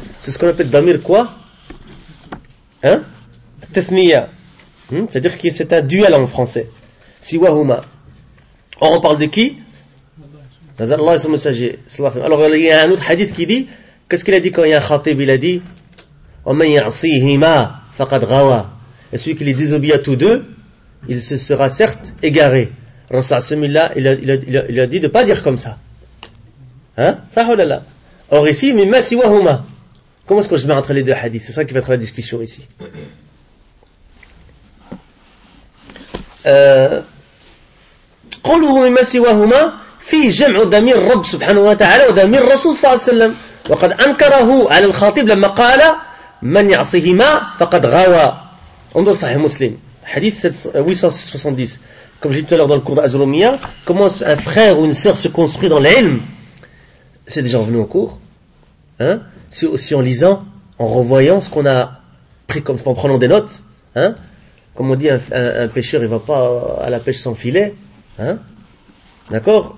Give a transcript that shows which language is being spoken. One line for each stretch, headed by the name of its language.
French: C'est ce qu'on appelle damir quoi? Hein? Tathniya. C'est-à-dire que c'est un duel en français. Siwa huma. Or, on parle de qui? Allah et son messager. Alors il y a un autre hadith qui dit, qu'est-ce qu'il a dit quand il y a un khatib? Il a dit,
Arabic: وَمَنْ يَعْصِيهِمَا فَقَدْ غَوَى.
French: Et celui qui les désobéit à tous deux, il se sera certes égaré. Rasul Samillah, il a dit de ne pas dire comme ça. Hein? Sahulala. Or ici,
Arabic: مِمَا سِوَهُمَا.
French: Comment est-ce que je mets entre les deux hadiths? C'est ça qui va être la discussion ici.
Arabic: قُلُهُ مِمَا سِوَهُمَا في جمع ضمير رب سبحانه وتعالى وضمير رسول صلى الله عليه وسلم وقد أنكره على الخطيب لما قال من يعصيهما فقد غوى. انظر صحيح مسلم حديث 870.
French: Comme j'ai dit tout à l'heure dans le cours d'Azrumiya, comment un frère ou une sœur se construit dans l'ilm, c'est déjà revenu au cours, hein? C'est aussi en lisant, en revoyant ce qu'on a pris, comme en prenant des notes, hein? Comme on dit, un pêcheur il va pas à la pêche sans filet, hein? D'accord?